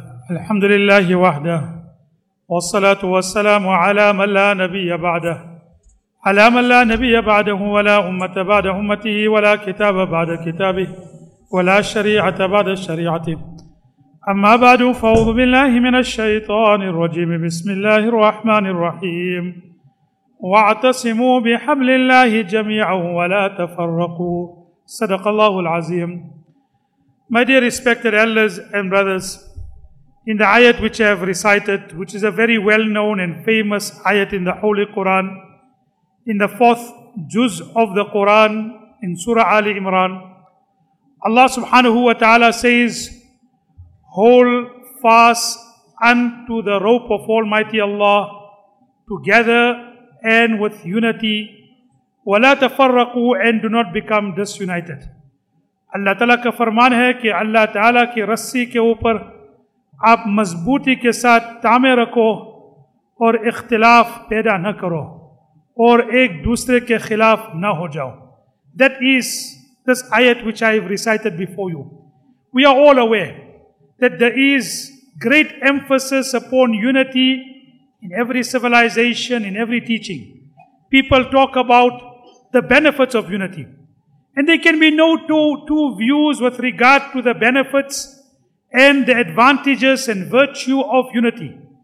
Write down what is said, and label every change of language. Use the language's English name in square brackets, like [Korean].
[Arabic] الحمد لله وحده والصلاة والسلام على من لا نبي بعده على من لا نبي بعده ولا أمة بعد أمته ولا كتاب بعد كتابه ولا شريعة بعد شريعته أما بعد فأعوذ بالله من الشيطان الرجيم بسم الله الرحمن الرحيم واعتصموا بحبل الله جميعا ولا تفرقوا صدق الله العظيم. [English] My dear respected elders and brothers, in the ayat which I have recited, which is a very well-known and famous ayat in the Holy Quran, in the fourth juz of the Quran, in Surah Ali Imran, Allah subhanahu wa ta'ala says, "Hold fast unto the rope of Almighty Allah, together and with unity, [Arabic] وَلَا تَفَرَّقُوا [English] and do not become disunited." [Urdu] اللہ تعالیٰ کا فرمان ہے کہ اللہ تعالیٰ کی رسی کے اوپر آپ مضبوطی کے ساتھ تامے رکھو اور اختلاف پیدا نہ کرو اور ایک دوسرے کے خلاف نہ ہو جاؤ. [English] That is this ayat which I have recited before you. We are all aware that there is great emphasis upon unity in every civilization, in every teaching. People talk about the benefits of unity. And there can be no two views with regard to the benefits and the advantages and virtue of unity.